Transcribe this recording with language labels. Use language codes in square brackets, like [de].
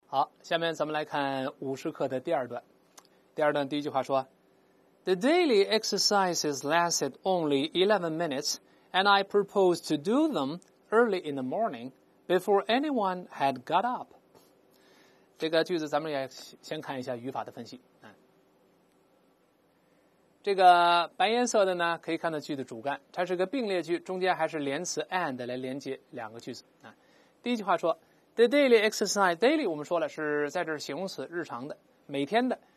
[zh] 好，下面咱们来看五十课的第二段。第二段第一句话说 [en] The daily exercises lasted only 11 minutes and I proposed to do them early in the morning before anyone had got up. [zh] 这个句子咱们也先看一下语法的分析。这个白颜色的呢可以看到句的主干，它是个并列句，中间还是连词 and 来连接两个句子。第一句话说 [en] The daily exercise, [zh] daily 我们说了是在这儿形容词，日常的，每天的。